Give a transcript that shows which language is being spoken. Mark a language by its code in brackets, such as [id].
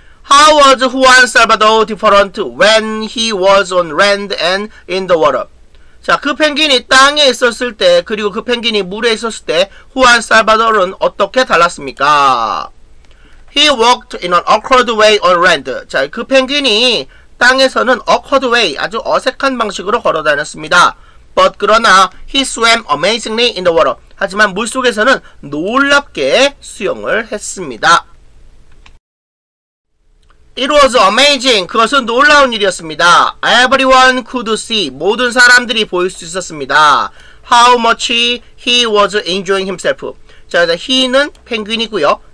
[en] How was Juan Salvador different when he was on land and in the water? [ko] 자, 그 펭귄이 땅에 있었을 때, 그리고 그 펭귄이 물에 있었을 때 후안 살바도르는 어떻게 달랐습니까? [en] He walked in an awkward way on land. [ko] 자, 그 펭귄이 땅에서는 awkward way, 아주 어색한 방식으로 걸어다녔습니다. [en] But [ko] 그러나 [en] he swam amazingly in the water. [ko] 하지만 물속에서는 놀랍게 수영을 했습니다. [en] It was amazing. [ko] 그것은 놀라운 일이었습니다. [en] Everyone could see. [ko] 모든 사람들이 보일 수 있었습니다. [en] How much he was enjoying himself. [ko] 자, he는 펭귄이고요.